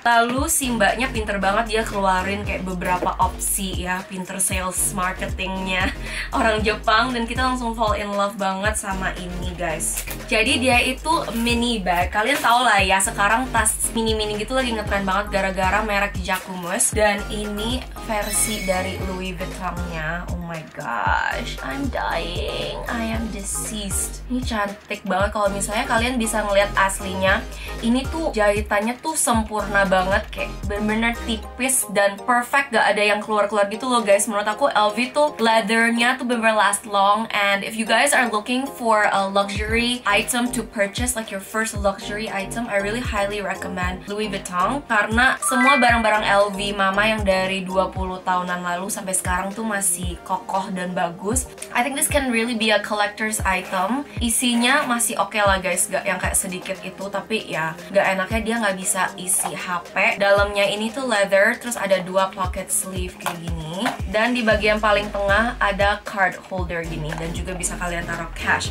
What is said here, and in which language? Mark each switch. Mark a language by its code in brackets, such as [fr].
[id] Lalu si mbaknya pinter banget, dia keluarin kayak beberapa opsi ya, pinter sales marketingnya orang Jepang. Dan kita langsung [en] fall in love [id] banget sama ini guys. Jadi dia itu mini bag. Kalian tau lah ya, sekarang tas mini-mini gitu lagi ngetren banget gara-gara merek Jacquemus. Dan ini versi dari Louis Vuitton-nya. [en] Oh my gosh, I'm dying, I am deceased. [id] Ini cantik banget, kalau misalnya kalian bisa ngeliat aslinya, ini tuh jahitannya tuh sempurna banget. Kayak bener-bener tipis dan perfect, gak ada yang keluar-keluar gitu loh guys. Menurut aku LV tuh leather-nya tuh bener-bener last long. [en] And if you guys are looking for a luxury item to purchase, like your first luxury item, I really highly recommend Louis Vuitton. [id] Karena semua barang-barang LV mama yang dari 20 tahunan lalu sampai sekarang tuh masih kokoh dan bagus. [en] I think this can really be a collector's item. [id] Isinya masih okay lah guys, gak yang kayak sedikit itu. Tapi ya gak enaknya dia gak bisa isi HP. Dalamnya ini tuh leather, terus ada dua pocket sleeve kayak gini. Dan di bagian paling tengah ada card holder gini. Dan juga bisa kalian taruh cash.